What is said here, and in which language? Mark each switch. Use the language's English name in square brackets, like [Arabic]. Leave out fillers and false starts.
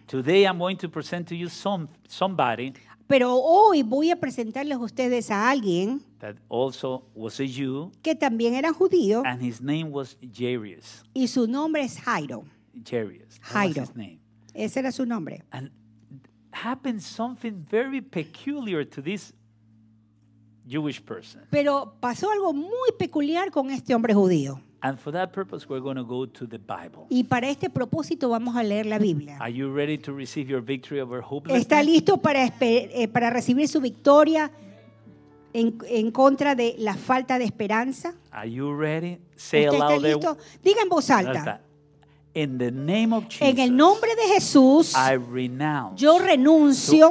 [English] Today I'm going to present to you somebody. [Spanish] Pero hoy voy a presentarles a ustedes a alguien. [English] That also was a Jew. [Spanish] Que también era judío. [English] And his name was Jairus. [Spanish] Y su nombre es Jairo. [English] Jairus. [Spanish] Jairo. [English] That was his name. [Spanish] Ese era su nombre. [English] And happened something very peculiar to this Jewish person. [Spanish] Pero pasó algo muy peculiar con este hombre judío. [English] And for that purpose, we're going to go to the Bible. [Spanish] Y para este propósito vamos a leer la Biblia. [English] Are you ready to receive your victory over hopelessness? [Spanish] ¿Está listo para recibir su victoria en contra de la falta de esperanza? [English] Are you ready? Say [Spanish] ¿Usted [English] aloud [Spanish] está listo? Diga en voz alta. [English] In the name of Jesus, [Spanish] en el nombre de Jesús, [English] I renounce [Spanish] yo renuncio